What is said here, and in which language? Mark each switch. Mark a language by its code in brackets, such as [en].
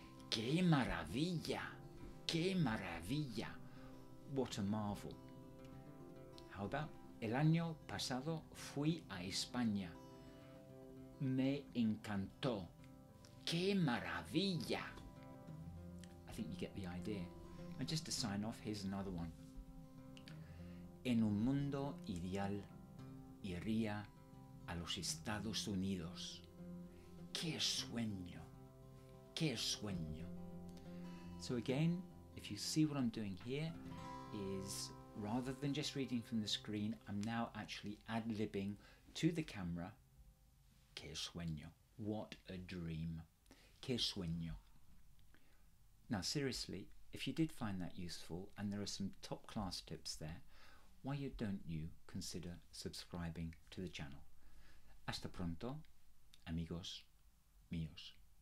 [es] Qué maravilla, qué maravilla. [en] What a marvel. How about, [es] el año pasado fui a España. Me encantó. Qué maravilla. [en] I think you get the idea. And just to sign off, here's another one. [es] En un mundo ideal, iría a los Estados Unidos. Qué sueño. Qué sueño. [en] So again, if you see what I'm doing here, is rather than just reading from the screen, I'm now actually ad-libbing to the camera. [es] Qué sueño. [en] What a dream. [es] Qué sueño. [en] Now seriously, if you did find that useful, and there are some top class tips there, why don't you consider subscribing to the channel? [es] Hasta pronto, amigos míos.